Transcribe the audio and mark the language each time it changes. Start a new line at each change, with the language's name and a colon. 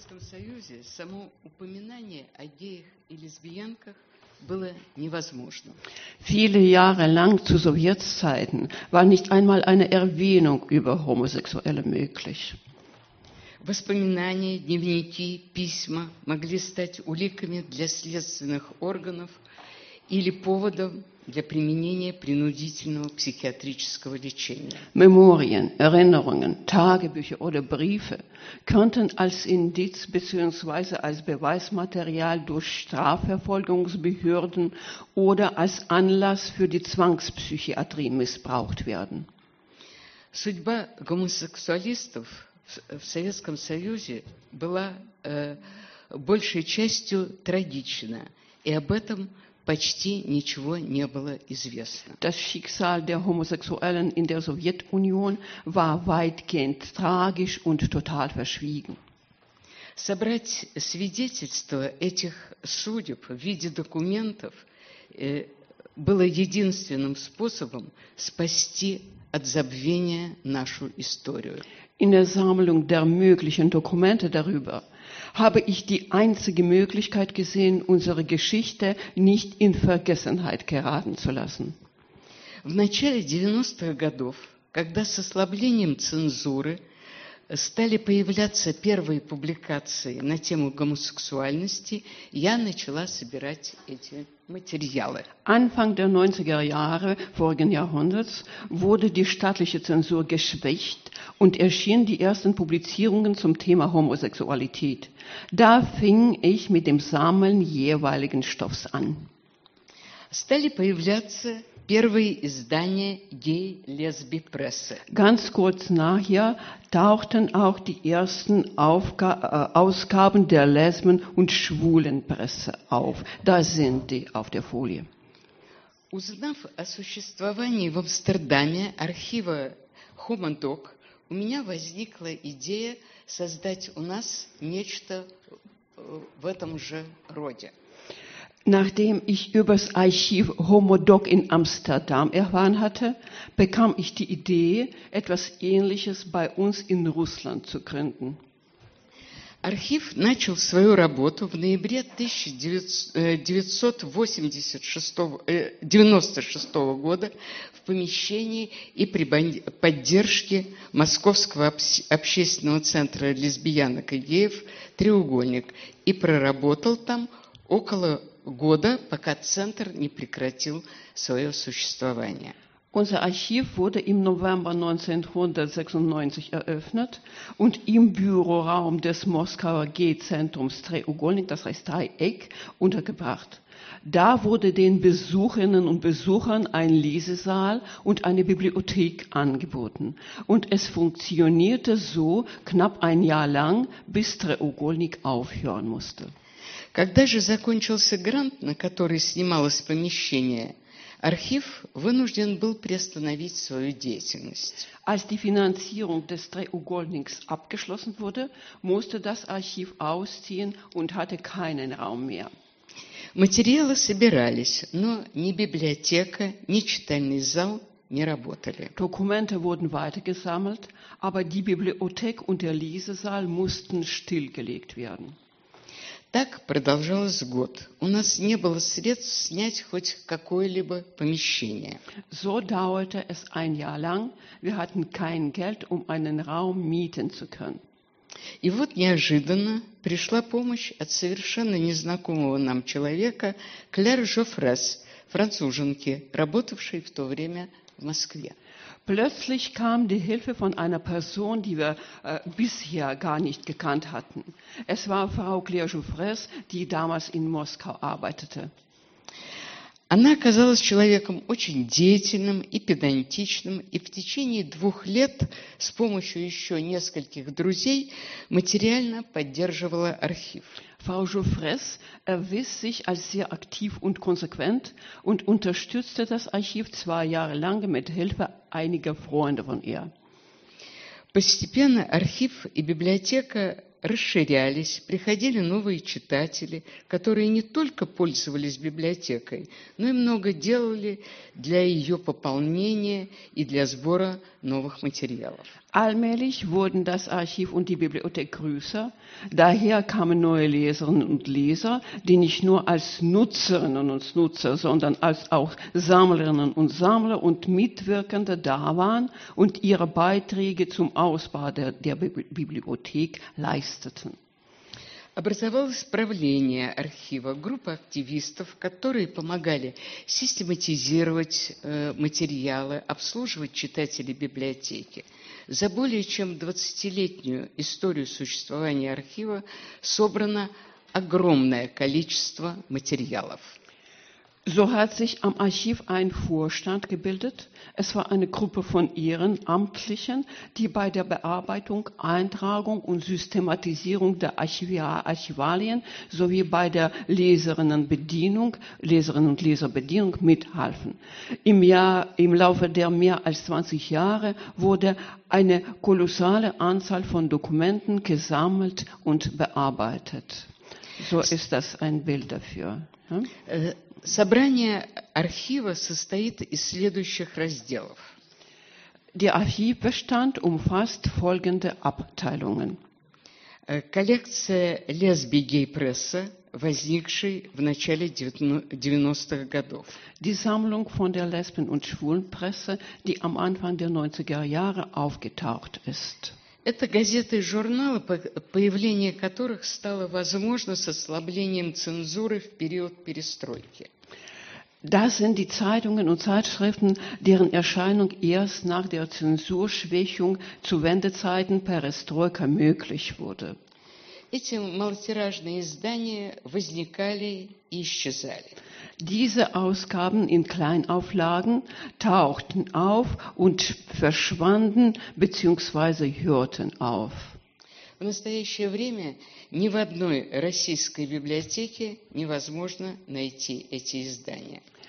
Russian: Союзе само упоминание о геях и лесбиянках было невозможно.
German: Viele Jahre lang zu Sowjetzeiten war nicht einmal eine Erwähnung über Homosexuelle möglich.
Russian: Воспоминания, дневники, письма могли стать уликами для следственных органов или поводом для применения принудительного психиатрического лечения.
German: Memorien, Erinnerungen, Tagebücher oder Briefe könnten als Indiz bzw. als Beweismaterial durch Strafverfolgungsbehörden oder als Anlass für die Zwangspsychiatrie missbraucht werden.
Russian: Судьба гомосексуалистов в Советском Союзе была большей частью трагична, и об этом почти ничего не было известно.
German: Das Schicksal der Homosexuellen in der Sowjetunion war weitgehend tragisch und total verschwiegen.
Russian: Собрать свидетельства этих судеб в виде документов было единственным способом спасти от забвения нашу историю.
German: In der Sammlung der möglichen Dokumente darüber habe ich die einzige Möglichkeit gesehen, unsere Geschichte nicht in Vergessenheit geraten zu lassen.
Russian: В начале 90-х годов, когда с ослаблением цензуры стали появляться первые публикации на тему гомосексуальности, я начала собирать эти материалы.
German: Anfang der 90er Jahre vorigen Jahrhunderts wurde die staatliche Zensur geschwächt und erschienen die ersten Publizierungen zum Thema Homosexualität. Da fing ich mit dem Sammeln jeweiligen Stoffs an.
Russian: Стали появляться первые издания гей-лесби-прессы.
German: Ganz kurz nachher tauchten auch die ersten Ausgaben der Lesben- und Schwulenpresse auf. Da sind die auf der Folie.
Russian: Узнав о существовании в Амстердаме архива Homodoc, у меня возникла идея создать у нас нечто в этом же роде.
German: Nachdem ich über das Archiv Homodoc in Amsterdam erfahren hatte, bekam ich die Idee, etwas Ähnliches bei uns in Russland zu gründen.
Russian: Archiv начал свою работу в ноябре 1996 года в помещении и при поддержке Московского общественного центра лесбиянок и геев «Треугольник» и проработал там около года, пока центр не прекратил свое существование.
German: Unser Archiv wurde im November 1996 eröffnet und im Büroraum des Moskauer G-Zentrums Treugolnik, das heißt Dreieck, untergebracht. Da wurde den Besucherinnen und Besuchern ein Lesesaal und eine Bibliothek angeboten. Und es funktionierte so knapp ein Jahr lang, bis Treugolnik aufhören musste.
Russian: Когда же закончился грант, на который снималось помещение, архив вынужден был приостановить свою деятельность.
German: Als die Finanzierung des Treugolniks abgeschlossen wurde, musste das Archiv ausziehen und hatte keinen Raum mehr.
Russian: Материалы собирались, но ни библиотека, ни читальный зал не работали.
German: Документы wurden weitergesammelt, aber die Bibliothek und der Lesesaal mussten stillgelegt werden.
Russian: Так продолжалось год. У нас не было средств снять хоть какое-либо помещение.
German: So dauerte es ein Jahr lang. Wir hatten kein Geld, um einen Raum mieten zu können.
Russian: И вот неожиданно пришла помощь от совершенно незнакомого нам человека, Клэр Жофрес, француженки, работавшей в то время в Москве.
German: Plötzlich kam die Hilfe von einer Person, die wir bisher gar nicht gekannt hatten. Es war Frau Claire Jouffres, die damals in Moskau arbeitete.
Russian: Она оказалась человеком очень деятельным и педантичным, и в течение двух лет с помощью еще нескольких друзей материально поддерживала архив.
German: Frau Jouffres erwies sich als sehr aktiv und konsequent und unterstützte das Archiv zwei Jahre lang mit Hilfe einiger Freunde von ihr.
Russian: Постепенно архив и библиотека расширялись, приходили новые читатели, которые не только пользовались библиотекой, но и много делали для ее пополнения и для сбора новых материалов.
German: Allmählich wurden das Archiv und die Bibliothek größer. Daher kamen neue Leserinnen und Leser, die nicht nur als Nutzerinnen und Nutzer, sondern als auch Sammlerinnen und Sammler und Mitwirkende da waren und ihre Beiträge zum Ausbau der Bibliothek leisteten.
Russian: Образовалось правление архива, группа активистов, которые помогали систематизировать материалы, обслуживать читателей библиотеки. За более чем 20-летнюю историю существования архива собрано огромное количество материалов.
German: So hat sich am Archiv ein Vorstand gebildet. Es war eine Gruppe von Ehrenamtlichen, die bei der Bearbeitung, Eintragung und Systematisierung der Archivalien sowie bei der Leserinnen- und Leserbedienung mithalfen. Im Laufe der mehr als 20 Jahre wurde eine kolossale Anzahl von Dokumenten gesammelt und bearbeitet. So ist das ein Bild dafür.
Russian: Собрание архива состоит из следующих разделов.
German: Der Archivbestand umfasst folgende Abteilungen.
Russian: Коллекция Лесби-Гей-Пресса, возникшей в начале 90-х годов.
German: Die Sammlung von der Lesben- und Schwulenpresse, die am Anfang der 90er Jahre aufgetaucht ist.
Russian: Это газеты и журналы, появление которых стало возможно с ослаблением цензуры в период перестройки.
German: Das sind die Zeitungen und Zeitschriften, deren Erscheinung erst nach der Zensurschwächung zu Wendezeiten Perestroika möglich wurde.
Russian: Эти малотиражные издания возникали и исчезали.
German: Diese Ausgaben in Kleinauflagen tauchten auf und verschwanden bzw. hörten auf.
Russian: В настоящее время ни в одной российской библиотеке невозможно найти эти издания.